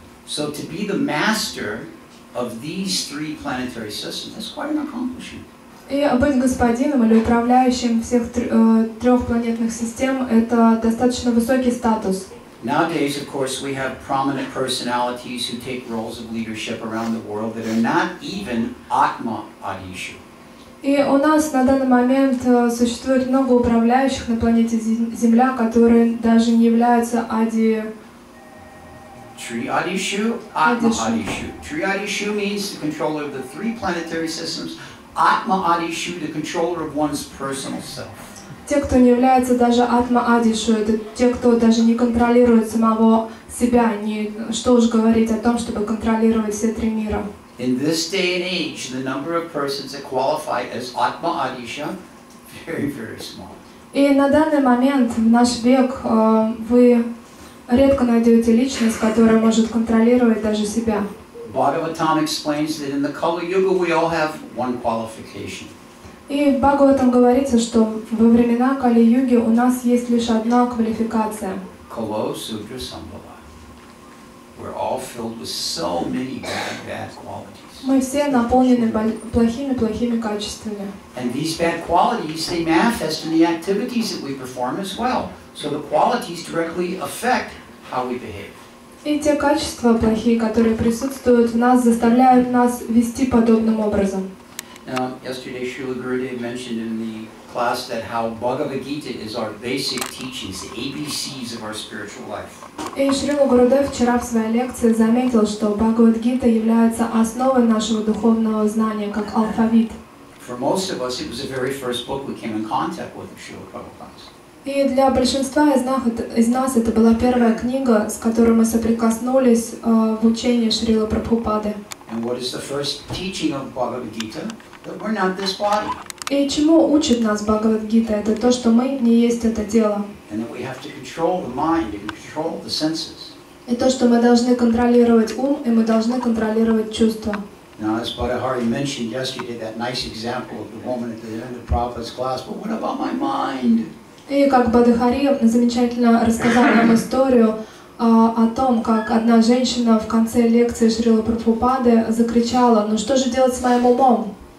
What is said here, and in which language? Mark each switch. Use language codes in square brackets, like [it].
[en] So to be the master of these three planetary systems, that's quite an accomplishment. [ru] И быть господином или управляющим всех трех планетных систем — это достаточно высокий статус. [en] Nowadays, of course, we have prominent personalities who take roles of leadership around the world that are not even Atma Adishu. [ru] И у нас на данный момент существует много управляющих на планете Земля, которые даже не являются Ади... [en] Tri Adishu, Atma Adishu. Tri Adishu means the controller of the three planetary systems. Atma Adishu, the controller of one's personal self. [ru] Те, кто не является даже Атма Адишу, это те, кто даже не контролирует самого себя, не что уж говорить о том, чтобы контролировать все три мира. [en] In this day and age, the number of persons that qualify as Atma Adisha very, very small. [ru] И на данный момент в наш век вы редко найдете личность, которая может контролировать даже себя. [en] Bhagavatam explains that in the Kali Yuga we all have one qualification. [ru] И в Бхагаватам говорится, что во времена Кали-Юги у нас есть лишь одна квалификация. [sa] Kalo Sudra Sambhava. [en] We're all filled with so many bad qualities. [ru] Мы все наполнены плохими качествами. [en] And these bad qualities, they manifest in the activities that we perform as well. So the qualities directly affect how we behave. [ru] И те качества плохие, которые присутствуют в нас, заставляют нас вести подобным образом. [en] Now, yesterday Srila Gurudev mentioned in the class that how Bhagavad Gita is our basic teachings, the ABCs of our spiritual life. [ru] И Шрила Гурудев вчера в своей лекции заметил, что Бхагавад Гита является основой нашего духовного знания, как алфавит. [en] For most of us, it was the very first book we came in contact with in Srila Prabhupada's. [ru] И для большинства из нас это была первая книга, с которой мы соприкоснулись в учении Шрилы Прабхупады. [en] And what is the first teaching of Bhagavad Gita? That we're not this body. [ru] И чему учит нас Бхагавад Гита? Это то, что мы не есть это тело. [en] And that we have to control the mind and control the senses. [ru] И то, что мы должны контролировать ум и мы должны контролировать чувства. [en] Now, as Bhadahari mentioned yesterday, that nice example of the woman at the end of Prabhupada's class, but what about my mind? [ru] И как Бадахари замечательно рассказал нам историю о том, как одна женщина в конце лекции Шрилы Прабхупады закричала: «Ну что же делать с моим умом?»